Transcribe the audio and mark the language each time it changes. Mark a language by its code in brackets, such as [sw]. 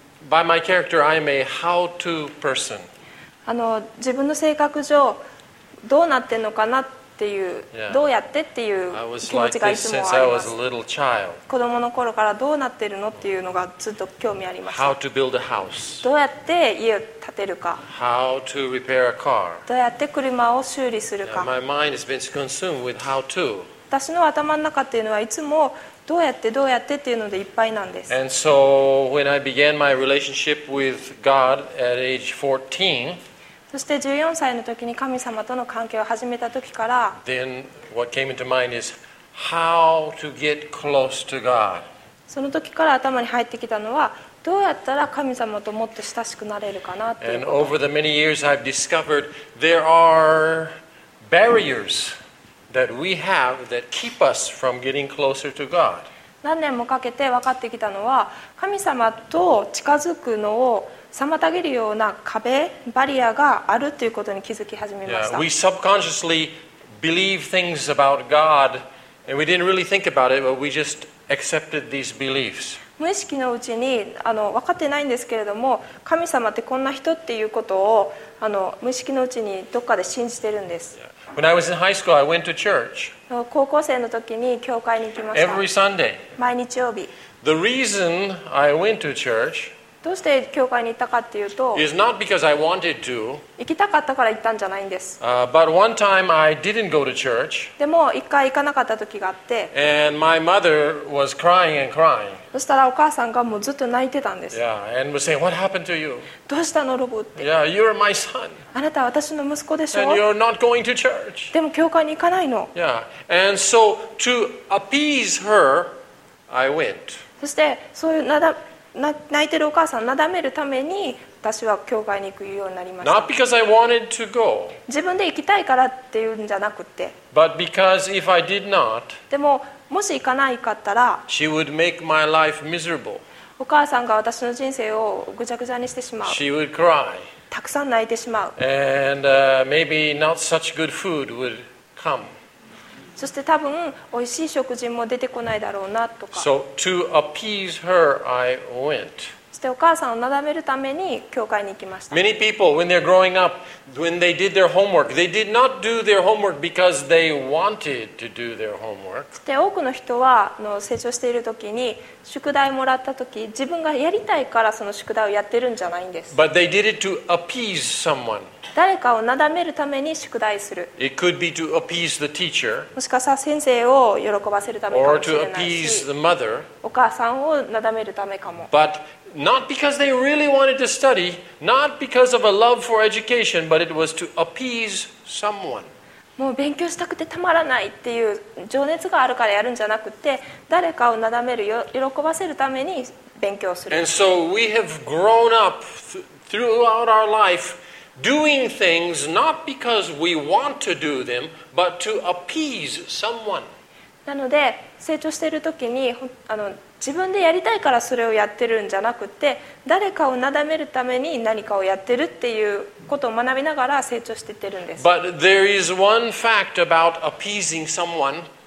[en] By my character, I am a how-to person. [ja] 自分の性格上どうなってんのかなっていう、 yeah. どうやってっていう気持ちがいつもあります。 [en] Since I was a little child. [ja] 子供の頃からどうなってるのっていうのがずっと興味あります。 [en] How to build a house. [ja] どうやって家を建てるか。 [en] How to repair a car. [ja] どうやって車を修理するか。 [en] Yeah, my mind has been consumed with how to. [ja] 私の頭の中っていうのはいつもどうやってどうやってっていうのでいっぱいなんです。 [en] And so when I began my relationship with God at age 14, [ja] そして14歳の時に神様との関係を始めた時から、 [en] then what came into mind is how to get close to God. [ja] その時から頭に入ってきたのはどうやったら神様ともっと親しくなれるかなっていう。 [en] And over the many years I've discovered there are barriers. That we have that keep us from getting closer to God. [ja] 何年もかけて分かってきたのは、神様と近づくのを妨げるような壁、バリアがあるということに気づき始めました。 [en] Yeah, we subconsciously believe things about God, and we didn't really think about it, but we just accepted these beliefs. [ja] 無意識のうちに分かってないんですけれども、神様ってこんな人っていうことを無意識のうちにどっかで信じてるんです。 Yeah. [en] When I was in high school, I went to church. [ja] 高校生の時に教会に行きました。 [en] Every Sunday. [ja] 毎日曜日。 [en] The reason I went to church. [ja] どうして教会に行ったかっていうと、 [en] is not because I wanted to. [ja] 行きたかったから行ったんじゃないんです。 [en] But one time I didn't go to church. [ja] でも一回行かなかった時があって、 [en] and my mother was crying and crying. [ja] そしたらお母さんがもうずっと泣いてたんです。 [en] Yeah, and was saying, "What happened to you?" [ja] どうしたのロブって。 [en] Yeah, you're my son. [ja] あなたは私の息子でしょ? [en] And you're not going to church. [ja] でも教会に行かないの。 Yeah. [en] And so to appease her, I went. [ja] そしてそういう泣いてるお母さんをなだめるために私は教会に行くようになりました。 [en] Not because I wanted to go. [ja] 自分で行きたいからっていうんじゃなくて。 [en] But because if I did not, [ja] でももし行かないかったら、 [en] she would make my life miserable. [ja] お母さんが私の人生をぐちゃぐちゃにしてしまう。 [en] She would cry. [ja] たくさん泣いてしまう。 [en] And, maybe not such good food would come. [ja] そして多分おいしい食事も出てこないだろうなとか。 [en] So, to appease her, I went. [ja] そしてお母さんをなだめるために教会に行きました。 [en] Many people, when they're growing up, when they did their homework, they did not do their homework because they wanted to do their homework. [ja] そして多くの人は成長しているときに宿題もらったとき、自分がやりたいからその宿題をやってるんじゃないんです。 [en] But they did it to appease someone. [ja] 誰かをなだめるために宿題する。 [en] It could be to appease the teacher. [ja] もしかしたら先生を喜ばせるためかもしれないし。 [en] Or to appease the mother. [ja] お母さんをなだめるためかも。 [en] But not because they really wanted to study, not because of a love for education, but it was to appease someone. [ja] もう勉強したくてたまらないっていう情熱があるからやるんじゃなくて誰かをなだめる喜ばせるために勉強する。 [en] And so we have grown up throughout our life doing things not because we want to do them but to appease someone. [ja] なので成長している時に自分でやりたいからそれをやってるんじゃなくて誰かをなだめるために何かをやってるっていうことを学びながら成長していってるんです。 [en] But there is one fact about appeasing someone.